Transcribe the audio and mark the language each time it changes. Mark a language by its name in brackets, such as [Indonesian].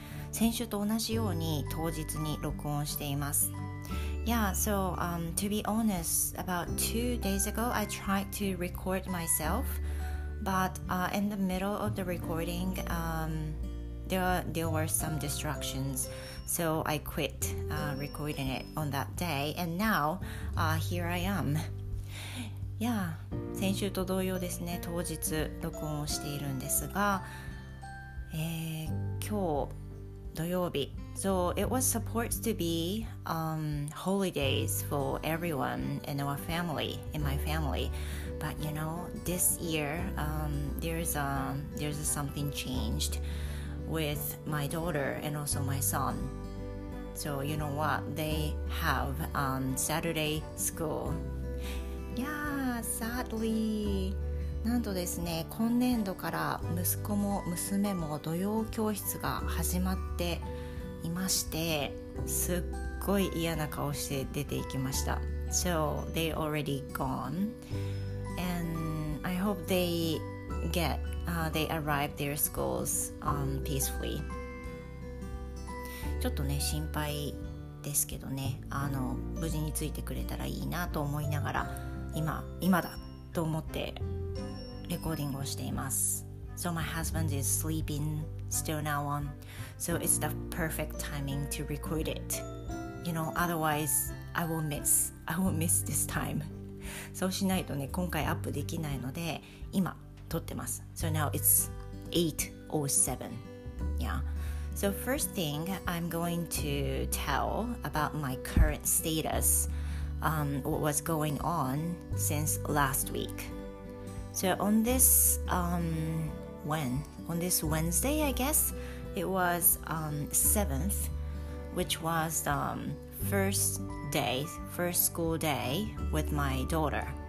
[Japanese] 先週と同じように当日に録音しています。 [English] Yeah, so, to be honest, about 2 days ago, I tried to record myself, but, in the middle of the recording, there were some distractions, so I quit, recording it on that day, and now, here I am. [Japanese] Yeah, 先週と同様ですね、当日録音をしているんですが、今日、土曜日。 [English] So it was supposed to be holidays for everyone in our family, in my family. But you know, this year there's something changed with my daughter and also my son. So you know what? They have Saturday school. Yeah, sadly. [Japanese] なんとですね、今年度から息子も娘も土曜教室が始まっていまして、すっごい嫌な顔して出ていきました。 [English] So, they already gone. And I hope they arrive their schools peacefully. [Japanese] ちょっとね、心配ですけどね、無事についてくれたらいいなと思いながら、今だと思って、recording をしています。 [English] So my husband is sleeping still now on. So it's the perfect timing to record it. You know, otherwise I will miss this time. [Japanese] そうしないとね、今回アップできないので今撮ってます。 [English] So now it's 8:07. Yeah. So first thing I'm going to tell about my current status, what was going on since last week. So on this, Wednesday, I guess, it was 7th, which was the first school day with my daughter.